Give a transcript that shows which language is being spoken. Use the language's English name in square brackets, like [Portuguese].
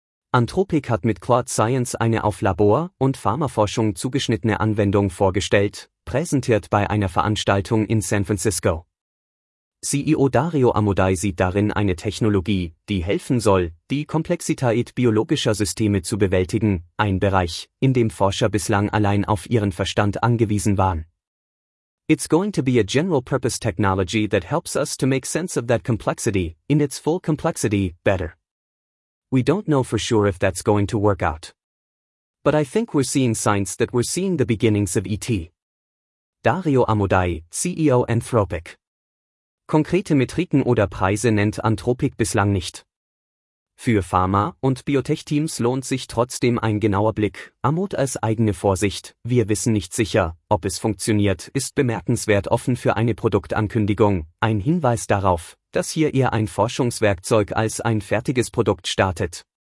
[German] Anthropic hat mit Claude Science eine auf Labor- und Pharmaforschung zugeschnittene Anwendung vorgestellt, präsentiert bei einer Veranstaltung in San Francisco. CEO Dario Amodei sieht darin eine Technologie, die helfen soll, die Komplexität biologischer Systeme zu bewältigen, ein Bereich, in dem Forscher bislang allein auf ihren Verstand angewiesen waren. [English] It's going to be a general-purpose technology that helps us to make sense of that complexity, in its full complexity, better. We don't know for sure if that's going to work out. But I think we're seeing signs that we're seeing the beginnings of ET. [German] Dario Amodei, CEO Anthropic. Konkrete Metriken oder Preise nennt Anthropic bislang nicht. Für Pharma- und Biotech-Teams lohnt sich trotzdem ein genauer Blick, Amod als eigene Vorsicht, wir wissen nicht sicher, ob es funktioniert, ist bemerkenswert offen für eine Produktankündigung, ein Hinweis darauf, dass hier eher ein Forschungswerkzeug als ein fertiges Produkt startet.